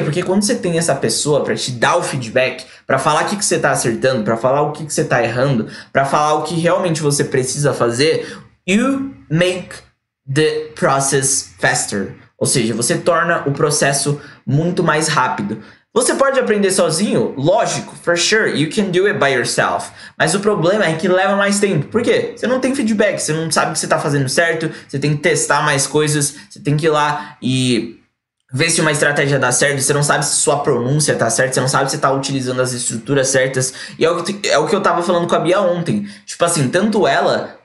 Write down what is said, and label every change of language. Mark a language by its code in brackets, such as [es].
[pt] Porque quando você tem essa pessoa pra te dar o feedback, pra falar o que, que você tá acertando, pra falar o que, que você tá errando, pra falar o que realmente você precisa fazer, [en] you make the process faster. [pt] Ou seja, você torna o processo muito mais rápido. Você pode aprender sozinho? [en] Lógico, for sure, you can do it by yourself. [pt] Mas o problema é que leva mais tempo. Por quê? Você não tem feedback, você não sabe o que você tá fazendo certo, você tem que testar mais coisas, você tem que ir lá e ver se uma estratégia dá certo, você não sabe se sua pronúncia tá certa, você não sabe se você tá utilizando as estruturas certas. E é o que eu tava falando com a Bia ontem. Tipo assim, tanto ela